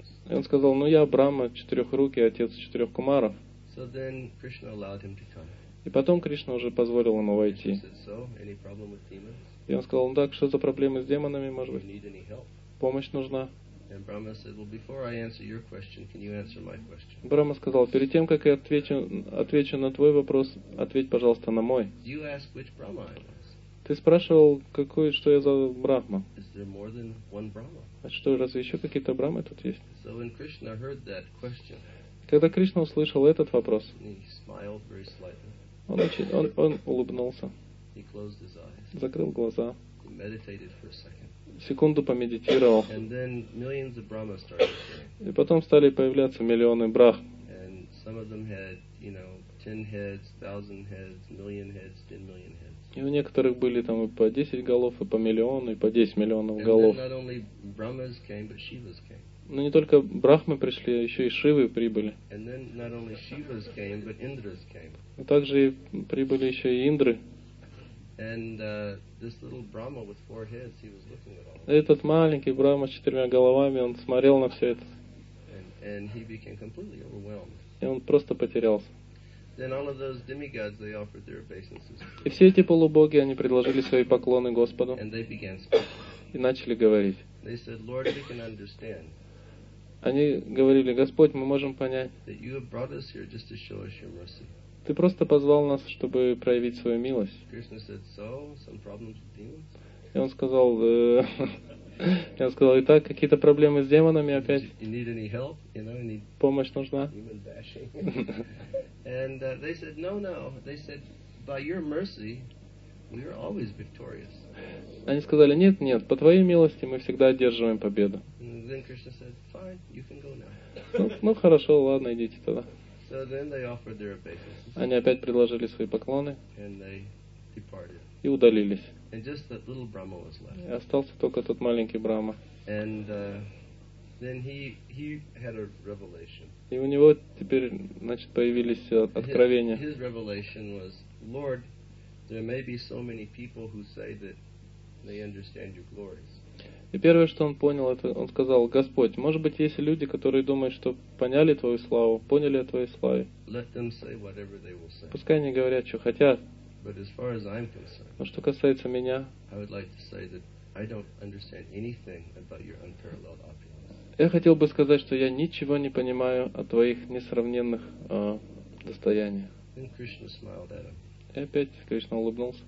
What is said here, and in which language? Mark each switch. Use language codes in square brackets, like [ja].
[ru] И он сказал, ну я Брахма, четырех рук и отец четырех кумаров. [en] So then Krishna allowed him to come. [ru] И потом Кришна уже позволил ему войти. [en] So, any problem with demons? [ru] И он сказал, ну так, что за проблемы с демонами, может быть? [en] You need any help? [ru] Помощь нужна. [en] And Brahma said, well, before I answer your question, can you answer my question? [ru] Брахма сказал, перед тем, как я отвечу на твой вопрос, ответь, пожалуйста, на мой. [en] You ask which Brahma I was. [ru] Ты спрашивал, какой, что я за Брахма? [en] Is there more than one Brahma? [ru] А что, разве еще какие-то Брахмы тут есть? [en] So when Krishna heard that question, [ru] когда Кришна услышал этот вопрос, [en] he smiled very slightly. [ru] Он улыбнулся. [en] He closed his eyes. [ru] Закрыл глаза. [en] He meditated for a second. [ru] Секунду помедитировал. [en] And then millions of Brahma started appearing. [ru] И потом стали появляться миллионы брах. [en] And some of them had, you know, 10 heads, 1000 heads, million heads, 10 million heads. [ru] И у некоторых были там и по 10 голов, и по миллиону, и по 10 миллионов голов. [en] And then not only Brahmas came, but Shivas came. [ru] Но не только Брахмы пришли, а еще и Шивы прибыли. [en] And then not only Shivas came, but Indras came. [ru] И также прибыли еще и Индры. [en] And this little Brahma with four heads, he was looking at all. [ru] Этот маленький Брахма с четырьмя головами, он смотрел на все это. [en] And he became completely overwhelmed. [ru] И он просто потерялся. [en] Then all of those demigods, they offered their obeisances. [ru] И все эти полубоги, они предложили свои поклоны Господу. [en] And they began speaking. [ru] И начали говорить. [en] They said, Lord, we can understand. [ru] Они говорили, Господь, мы можем понять. [en] That you have brought us here just to show us your mercy. [ru] Ты просто позвал нас, чтобы проявить свою милость. [en] Krishna said, so, some problems with demons? [ru] И он сказал, и он сказал, итак, какие-то проблемы с демонами опять. [en] You need any help? You know, you need... [ru] Помощь нужна. [en] Demon bashing. And they said, no. They said, by your mercy, we are always victorious. [ru] Они сказали, нет, по твоей милости мы всегда одерживаем победу. [en] And then Krishna said, fine, you can go now. [ru] Ну хорошо, ладно, идите тогда. [en] So then they offered their obeisances. [ru] Они опять предложили свои поклоны. [en] And they departed. [ru] И удалились. [en] And just that little Brahma was left. [ru] И остался только тот маленький Брахма. [en] And then he had a revelation. [ru] И у него теперь, значит, появились откровения. [en] His revelation was, Lord, there may be so many people who say that they understand your glories. [ru] И первое, что он понял, это он сказал, Господь, может быть, есть люди, которые думают, что поняли Твою славу, поняли о Твоей славе. [en] Let them say whatever they will say. [ru] Пускай они говорят, что хотят. [en] But as far as I'm concerned, [ru] но что касается меня, [en] I would like to say that I don't understand anything about your unparalleled opulence. [ru] Я хотел бы сказать, что я ничего не понимаю о Твоих несравненных достояниях. [en] And Krishna smiled at him. [ru] И опять Кришна улыбнулся.